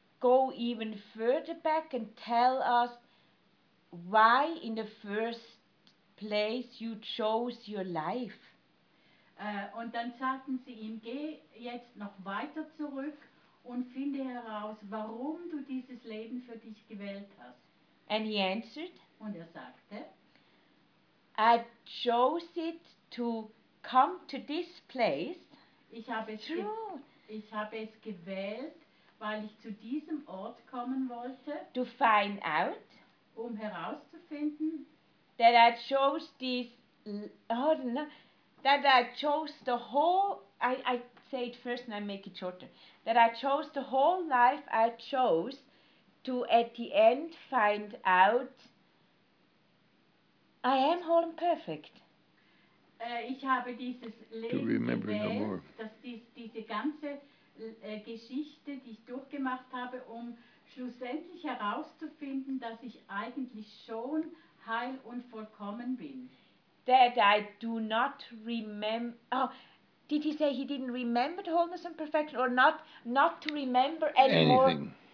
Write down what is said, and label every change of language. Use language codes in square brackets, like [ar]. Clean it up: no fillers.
[en] go even further back and tell us why in the first place you chose your life. [de] Und dann sagten sie ihm, geh jetzt noch weiter zurück und finde heraus, warum du dieses Leben für dich gewählt hast. [en] And he answered, [de] und er sagte, [en] I chose it to come to this place. [de] Ich habe es gewählt, weil ich zu diesem Ort kommen wollte. [en] To find out. [de] Um herauszufinden. [en] That I chose this. Oh, no. That I chose the whole. I say it first and I make it shorter. That I chose the whole life I chose to at the end find out I am whole and perfect. [de] Ich habe dieses Leben gewählt, dass diese ganze Geschichte, die ich durchgemacht habe, um schlussendlich herauszufinden, dass ich eigentlich schon heil und vollkommen bin. [en] That I do not remember. Oh, did he say he didn't remember the wholeness and perfection, or not to remember anymore?